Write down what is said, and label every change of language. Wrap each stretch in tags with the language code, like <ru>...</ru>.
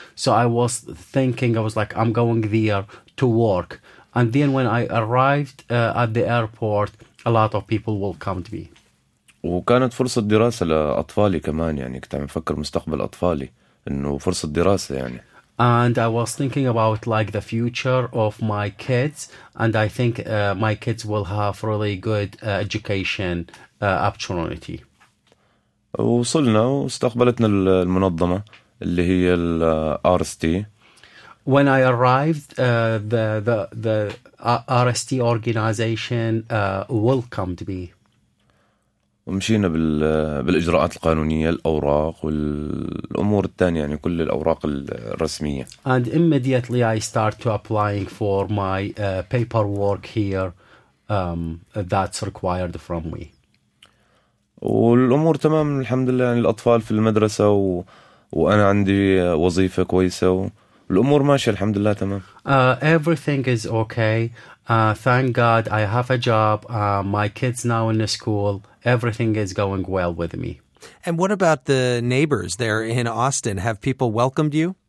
<en>So I was thinking, I was like, I'm going there to work. And then when I arrived at the airport, a lot of people welcomed me.</en> <ar>وكانت فرصة دراسة لأطفالي كمان يعني كنت عم بفكر مستقبل أطفالي إنه فرصة دراسة يعني.</ar> <en>And I was thinking about like the future of my kids, and I think my kids will have really good education opportunity.</en> <ar>وصلنا واستقبلتنا المنظمة اللي هي الـ RST.</ar> <en>When I arrived, the RST organization welcomed me.</en> <ar>ومشينا بالإجراءات القانونية الأوراق والأمور الثانية يعني كل الأوراق الرسمية.</ar> <en>And immediately I start to applying for my paperwork here that's required from me.</en> <ar>والأمور تمام الحمد لله يعني الأطفال في المدرسة وأنا عندي وظيفة كويسة والأمور ماشية الحمد لله تمام.</ar> <en>Everything is okay. Thank God I have a job. My kids now in the school. Everything is going well with me. And what about the neighbors there in Austin? Have people welcomed you?</en>